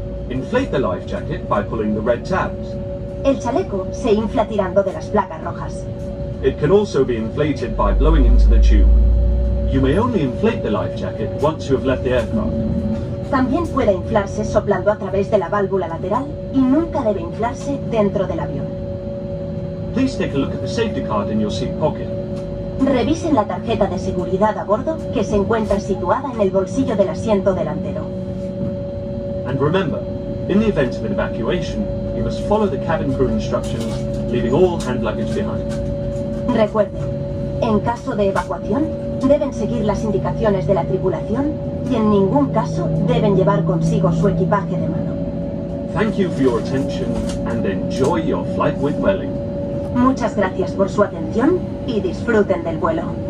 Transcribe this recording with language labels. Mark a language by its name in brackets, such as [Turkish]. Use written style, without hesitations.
[English] Inflate the life jacket by pulling the red tabs. [Spanish] El chaleco se infla tirando de las placas rojas. [English] It can also be inflated by blowing into the tube. You may only inflate the life jacket once you have left the aircraft. [Spanish] También puede inflarse soplando a través de la válvula lateral y nunca debe inflarse dentro del avión. [English] Please take a look at the safety card in your seat pocket. [Spanish] Revisen la tarjeta de seguridad a bordo que se encuentra situada en el bolsillo del asiento delantero. [English] And remember, in the event of an evacuation, you must follow the cabin crew instructions, leaving all hand luggage behind. [Spanish] Recuerden, en caso de evacuación, deben seguir las indicaciones de la tripulación y en ningún caso deben llevar consigo su equipaje de mano. [English] Thank you for your attention and enjoy your flight with Vueling. [Spanish] Muchas gracias por su atención y disfruten del vuelo.